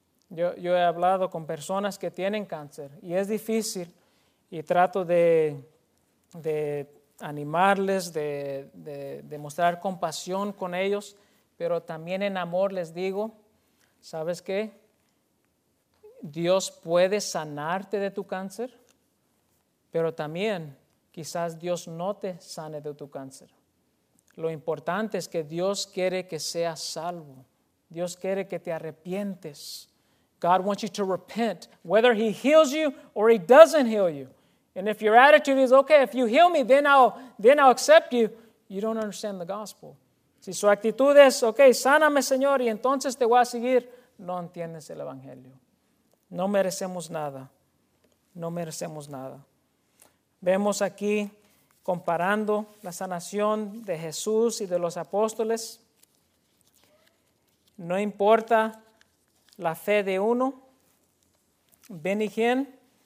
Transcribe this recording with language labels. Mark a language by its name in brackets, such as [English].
[Spanish] Yo he hablado con personas que tienen cáncer y es difícil y trato de animarles, de mostrar compasión con ellos, pero también en amor les digo, ¿sabes qué? Dios puede sanarte de tu cáncer, pero también quizás Dios no te sane de tu cáncer. Lo importante es que Dios quiere que seas salvo. Dios quiere que te arrepientes. [English] God wants you to repent, whether he heals you or he doesn't heal you. And if your attitude is, okay, if you heal me, then I'll accept you, you don't understand the gospel. [Spanish] Si su actitud es, okay, sáname, Señor, y entonces te voy a seguir, no entiendes el evangelio. No merecemos nada. No merecemos nada. Vemos aquí, comparando la sanación de Jesús y de los apóstoles, no importa la fe de uno, Benigén